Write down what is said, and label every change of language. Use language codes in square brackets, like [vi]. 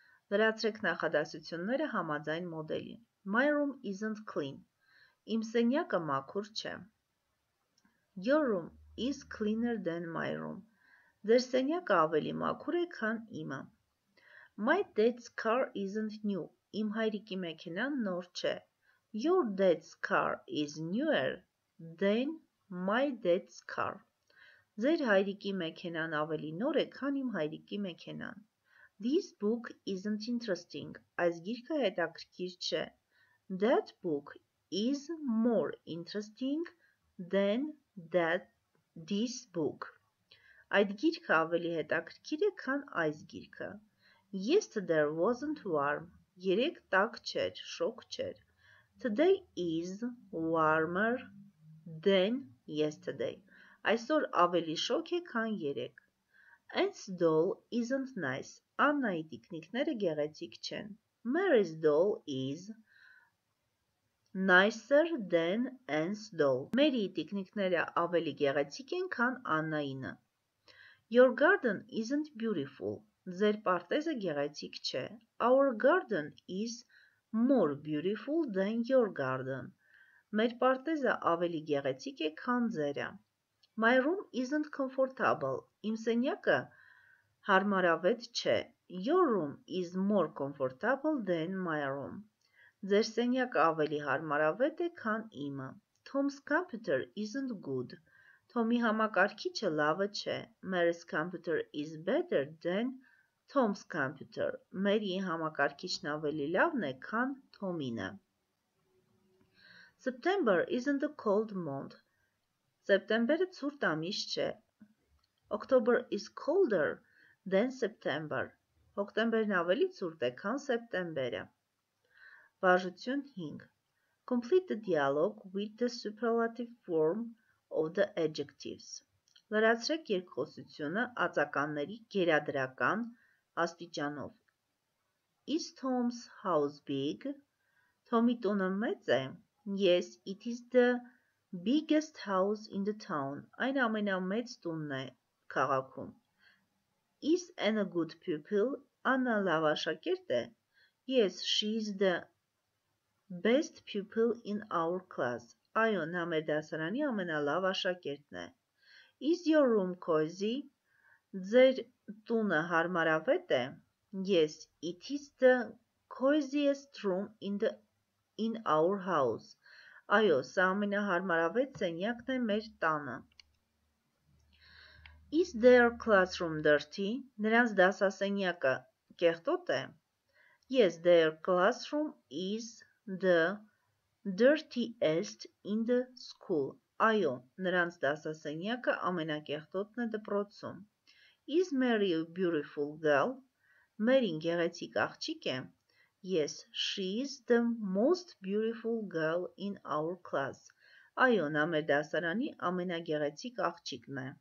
[hy] Լրացրեք նախադասությունները համաձայն մոդելի. [en] My room isn't clean. [hy] Իմ սենյակը մաքուր չէ. [en] Your room is cleaner than my room. [hy] Ձեր սենյակը ավելի մաքուր է, քան իմը. [en] My dad's car isn't new. [hy] Իմ հայրիկի մեքենան նոր չէ. [en] Your dad's car is newer than my dad's car. [hy] Ձեր հայրիկի մեքենան ավելի նոր է, քան իմ հայրիկի մեքենան։ [en] This book isn't interesting. [hy] Այս գիրքը հետաքրքիր չէ. [en] That book is more interesting than this book. [hy] Այդ գիրքը ավելի հետաքրքիր է, քան այս գիրքը։ [en] Yesterday wasn't warm. [hy] Երեկ տաք չէր, շոգ չէր. [en] Today is warmer than yesterday. [hy] Այսօր ավելի շոգ է, քան երեկ։ [en] Anne's doll isn't nice. [hy] Աննայի տիկնիկները գեղեցիկ չեն։ [en] Mary's doll is nicer than Anne's doll. [hy] Մերի տիկնիկները ավելի գեղեցիկ են, քան Աննայինը. [en] Your garden isn't beautiful. [hy] Ձեր պարտեզը գեղեցիկ չէ. [en] Our garden is more beautiful than your garden. [hy] Մեր պարտեզը ավելի գեղեցիկ է, քան ձերը. [en] My room isn't comfortable. [hy] Իմ սենյակը հարմարավետ չէ. [en] Your room is more comfortable than my room. [hy] Ձեր սենյակը ավելի հարմարավետ է, քան իմը. [en] Tom's computer isn't good. [hy] Թոմի համակարգիչը լավը չէ. [en] Mary's computer is better than Tom's computer. [hy] Մերի համակարգիչն ավելի լավն է, քան Թոմինը. [en] September isn't a cold month. [hy] Սեպտեմբերը ցուրտ ամիս չէ. [en] October is colder than September. [hy] Հոկտեմբերն ավելի ցուրտ է, քան սեպտեմբերը. Վարժություն 5. [en] Complete the dialogue with the superlative form of the adjectives. [hy] Լրացրեք երկխոսությունը ածականների գերադրական աստիճանով. [en] Is Tom's house big? [hy] Թոմի տունը մեծ է. [en] Yes, it is the biggest house in the town. [hy] Այն ամենամեծ տունն է քաղաքում. [en] Is Anna a good pupil? [hy] Աննա լավ աշակերտ է. [en] Yes, she is the best pupil in our class. [hy] Այո, նա մեր դասարանի ամենալավ աշակերտն է. [en] Is your room cozy? [hy] Ձեր տունը հարմարավետ է. [en] Yes, it is the coziest room in our house. [hy] Այո, սա ամենահարմարավետ սենյակն է մեր տանը. [en] Is their classroom dirty? [hy] Նրանց դասասենյակը կեղտոտ է. [en] Yes, their classroom is the dirtiest in the school. [hy] Այո, նրանց դասասենյակը ամենակեղտոտն է դպրոցում. [en] Is Mary a beautiful girl? [hy] Մերին գեղեցիկ աղջիկ է. [en] Yes, she is the most beautiful girl in our class. [hy] Այո, նա մեր դասարանի ամենագեղեցիկ աղջիկն է.